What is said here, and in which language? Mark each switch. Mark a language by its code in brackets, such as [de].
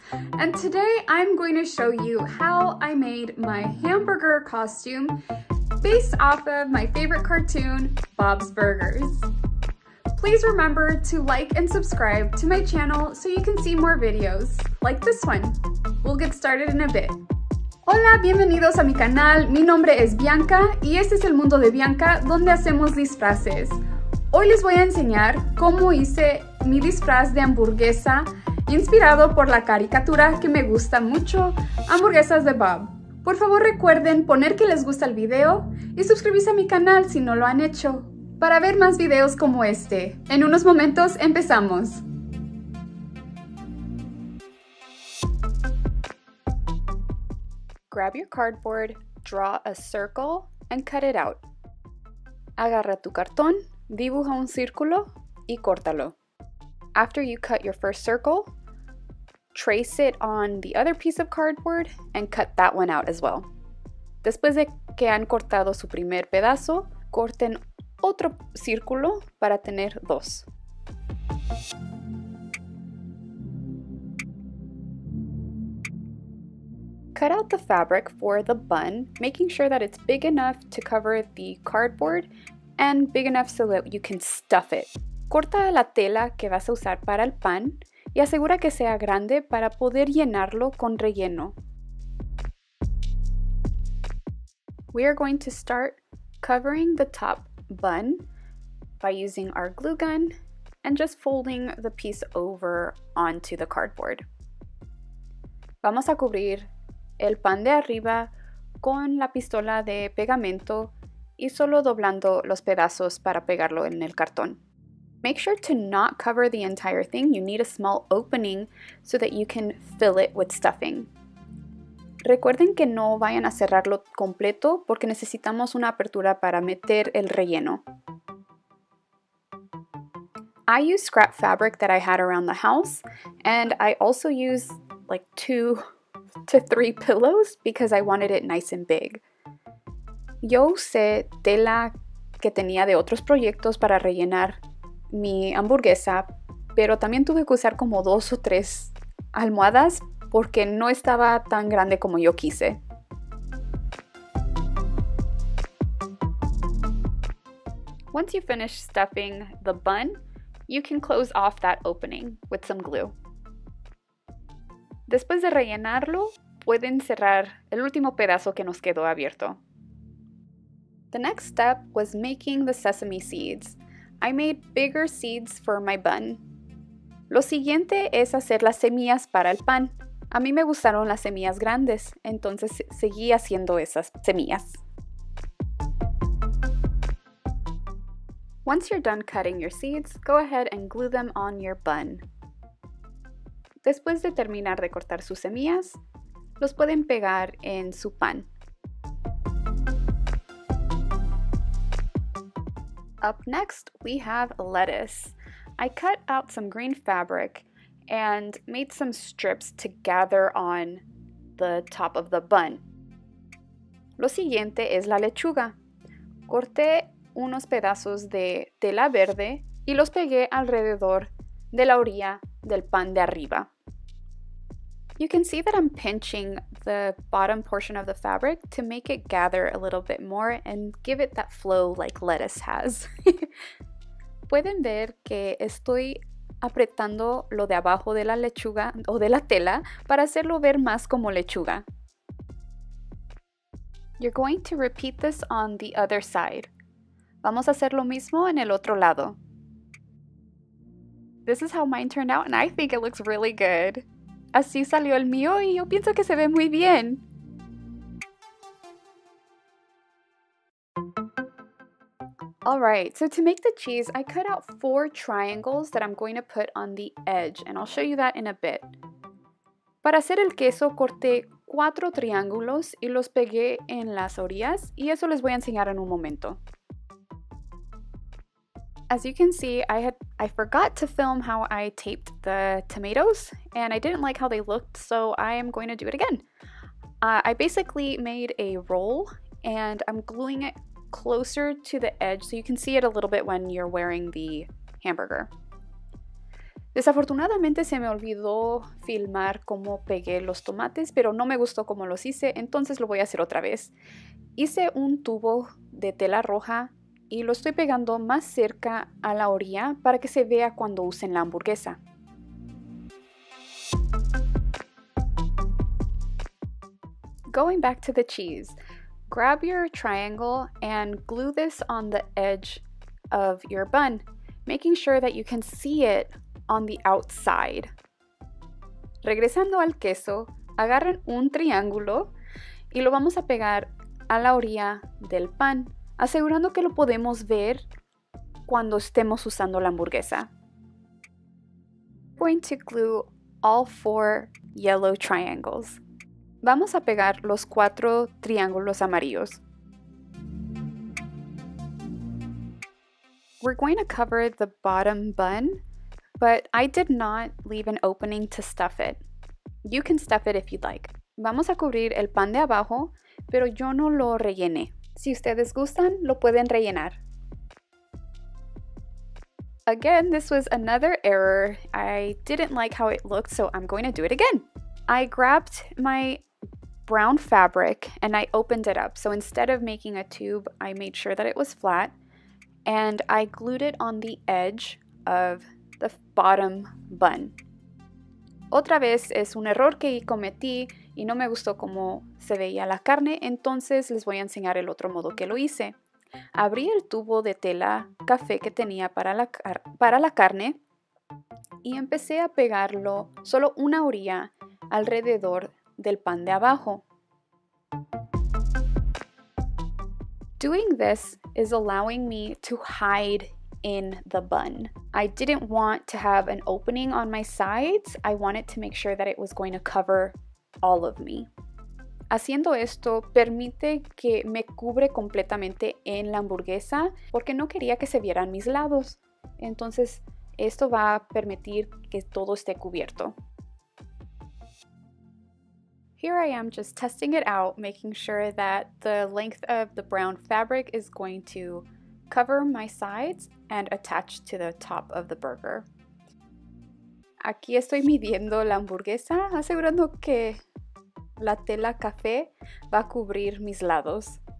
[en] And today I'm going to show you how I made my hamburger costume based off of my favorite cartoon, Bob's Burgers. Please remember to like and subscribe to my channel so you can see more videos like this one. We'll get started in a bit. [es] Hola, bienvenidos a mi canal. Mi nombre es Bianca y este es el mundo de Bianca donde hacemos disfraces. Hoy les voy a enseñar cómo hice mi disfraz de hamburguesa inspirado por la caricatura que me gusta mucho, Hamburguesas de Bob. Por favor recuerden poner que les gusta el video y suscribirse a mi canal si no lo han hecho para ver más videos como este. En unos momentos empezamos. [en] Grab your cardboard, draw a circle, and cut it out. [es] Agarra tu cartón, dibuja un círculo, y córtalo. [en] After you cut your first circle, trace it on the other piece of cardboard, and cut that one out as well. [es] Después de que han cortado su primer pedazo, corten otro círculo para tener dos. [en] Cut out the fabric for the bun, making sure that it's big enough to cover the cardboard and big enough so that you can stuff it. [es] Corta la tela que vas a usar para el pan y asegura que sea grande para poder llenarlo con relleno. [en] We are going to start covering the top bun by using our glue gun and just folding the piece over onto the cardboard. [es] Vamos a cubrir el pan de arriba con la pistola de pegamento y solo doblando los pedazos para pegarlo en el cartón. [en] Make sure to not cover the entire thing. You need a small opening so that you can fill it with stuffing. [es] Recuerden que no vayan a cerrarlo completo porque necesitamos una apertura para meter el relleno. [en] I use scrap fabric that I had around the house and I also use like 2 to 3 pillows because I wanted it nice and big. [es] Yo usé tela que tenía de otros proyectos para rellenar mi hamburguesa, pero también tuve que usar como 2 o 3 almohadas porque no estaba tan grande como yo quise. [en] Once you finish stuffing the bun, you can close off that opening with some glue. [es] Después de rellenarlo, pueden cerrar el último pedazo que nos quedó abierto. [en] The next step was making the sesame seeds. I made bigger seeds for my bun. [es] Lo siguiente es hacer las semillas para el pan. A mí me gustaron las semillas grandes, entonces seguí haciendo esas semillas. [en] Once you're done cutting your seeds, go ahead and glue them on your bun. [es] Después de terminar de cortar sus semillas, los pueden pegar en su pan. [en] Up next, we have lettuce. I cut out some green fabric and made some strips to gather on the top of the bun. [es] Lo siguiente es la lechuga. Corté unos pedazos de tela verde y los pegué alrededor de la orilla del pan de arriba. [en] You can see that I'm pinching the bottom portion of the fabric to make it gather a little bit more and give it that flow like lettuce has. [es] Pueden ver que estoy apretando lo de abajo de la lechuga o de la tela para hacerlo ver más como lechuga. [en] You're going to repeat this on the other side. [es] Vamos a hacer lo mismo en el otro lado. [en] This is how mine turned out and I think it looks really good. [es] Así salió el mío y yo pienso que se ve muy bien. [en] All right, so to make the cheese, I cut out 4 triangles that I'm going to put on the edge, and I'll show you that in a bit. [es] Para hacer el queso, corté 4 triángulos y los pegué en las orillas, y eso les voy a enseñar en un momento. [en] As you can see, I forgot to film how I taped the tomatoes and I didn't like how they looked, so I am going to do it again. I basically made a roll and I'm gluing it closer to the edge, so you can see it a little bit when you're wearing the hamburger. [es] Desafortunadamente se me olvidó filmar cómo pegué los tomates, pero no me gustó cómo los hice, entonces lo voy a hacer otra vez. Hice un tubo de tela roja y lo estoy pegando más cerca a la orilla para que se vea cuando usen la hamburguesa. [en] Going back to the cheese, grab your triangle and glue this on the edge of your bun, making sure that you can see it on the outside. [es] Regresando al queso, agarren un triángulo y lo vamos a pegar a la orilla del pan, asegurando que lo podemos ver cuando estemos usando la hamburguesa. [en] Going to glue all four yellow triangles. [es] Vamos a pegar los cuatro triángulos amarillos. [en] We're going to cover the bottom bun, but I did not leave an opening to stuff it. You can stuff it if you'd like. [es] Vamos a cubrir el pan de abajo, pero yo no lo rellené. Si ustedes gustan, lo pueden rellenar. [en] Again, this was another error. I didn't like how it looked, so I'm going to do it again. I grabbed my brown fabric and I opened it up. So instead of making a tube, I made sure that it was flat and I glued it on the edge of the bottom bun. [es] Otra vez es un error que cometí y no me gustó cómo se veía la carne, entonces les voy a enseñar el otro modo que lo hice. Abrí el tubo de tela café que tenía para la carne y empecé a pegarlo solo una orilla alrededor del pan de abajo. [en] Doing this is allowing me to hide in the bun. I didn't want to have an opening on my sides. I wanted to make sure that it was going to cover all of me. [es] Haciendo esto permite que me cubre completamente en la hamburguesa porque no quería que se vieran mis lados. Entonces, esto va a permitir que todo esté cubierto. [en] Here I am just testing it out, making sure that the length of the brown fabric is going to cover my sides and attach to the top of the burger. [es] Aquí estoy midiendo la hamburguesa, asegurando que la tela café va a cubrir mis lados.